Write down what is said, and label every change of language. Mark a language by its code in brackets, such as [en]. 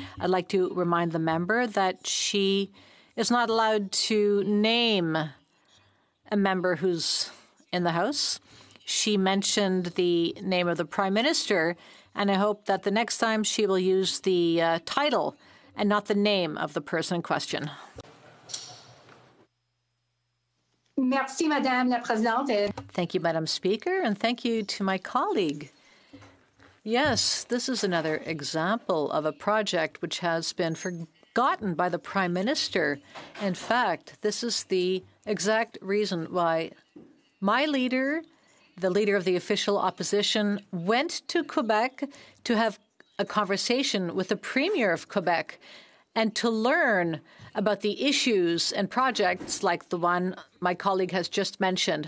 [en] I'd like to remind the member that she is not allowed to name a member who's in the House. She mentioned the name of the Prime Minister, and I hope that the next time she will use the title and not the name of the person in question. [fr] Merci, Madame la Présidente. [en] Thank you, Madam Speaker, and thank you to my colleague. Yes, this is another example of a project which has been forgotten by the Prime Minister. In fact, this is the exact reason why my leader, the leader of the official opposition, went to Quebec to have a conversation with the Premier of Quebec and to learn about the issues and projects like the one my colleague has just mentioned.